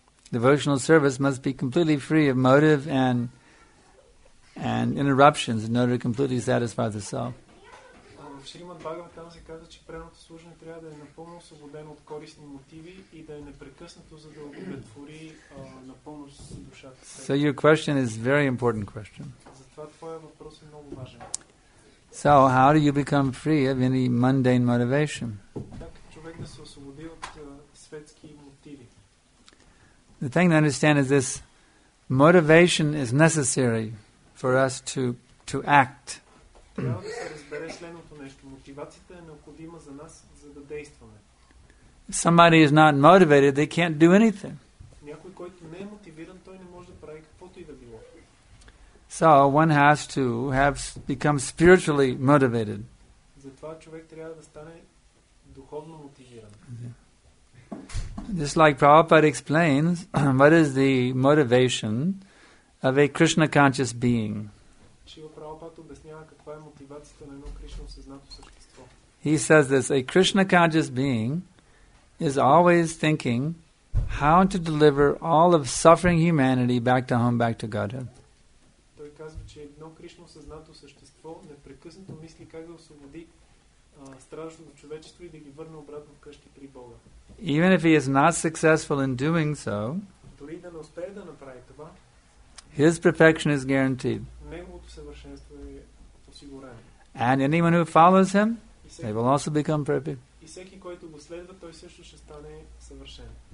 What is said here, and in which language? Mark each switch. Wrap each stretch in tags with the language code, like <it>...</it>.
<en>Devotional service must be completely free of motive and interruptions in order to completely satisfy the self.</en> <bg>Шримад Бхагаватам се казва, че преното служене трябва да е напълно освободено от корисни мотиви и да е непрекъснато, за да удовлетвори напълно с душата.</bg> <en>So your question is very important question.</en> <bg>Затова твоя въпрос е много важен.</bg> <en>So how do you become free of any mundane motivation?</en> <bg>Как човек да се освободи от светски мотиви?</bg> <en>The thing to understand is this: motivation is necessary for us to act.</en> <bg>Трябва да се разбере следното нещо. Мотивацията е необходима за нас, за да действаме.</bg> <en>If somebody is not motivated, they can't do anything.</en> <bg>Някой, който не е мотивиран, той не може да прави каквото и да било.</bg> <en>So one has to have become spiritually motivated.</en> <bg>Затова човек трябва да стане духовно мотивиран.</bg> <en>Just like Prabhupada explains, what is the motivation of a Krishna conscious being?</en> <bg>Шрила Прабхупада обяснява каква е мотивацията на едно Кришна осъзнато същество.</bg> <en>He says this, a Krishna conscious being is always thinking how to deliver all of suffering humanity back to home, back to Godhead.</en> <bg>Той казва, че едно Кришна осъзнато същество непрекъснато мисли как да освободи страждащото човечество и да ги върне обратно вкъщи при Бога.</bg> <en>Even if he is not successful in doing so,</en> <bg>дори да не успее да направи това,</bg> <en>his perfection is guaranteed.</en> <bg>Неговото съвършенство е осигурено.</bg> <en>And anyone who follows him, they will also become perfect.</en> <bg>И всеки, който го следва, той също ще стане съвършен.</bg>